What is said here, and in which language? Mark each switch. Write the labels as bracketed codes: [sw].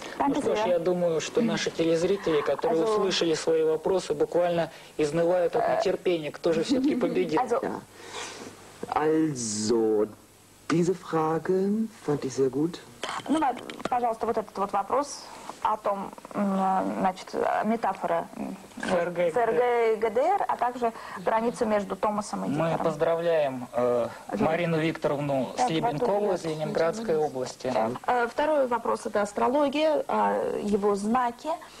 [ru] Ну что ж, я думаю, что наши телезрители, которые услышали свои вопросы, буквально изнывают от нетерпения, кто же все-таки победит. [de] Also, diese Frage fand ich sehr gut. [ru] Ну, пожалуйста, вот этот вот вопрос о том, значит, метафора ФРГ и ГДР, а также границу между Томасом и Гитлером. Мы поздравляем Марину Викторовну Слебенкову из Ленинградской области. Второй вопрос — это астрология, его знаки.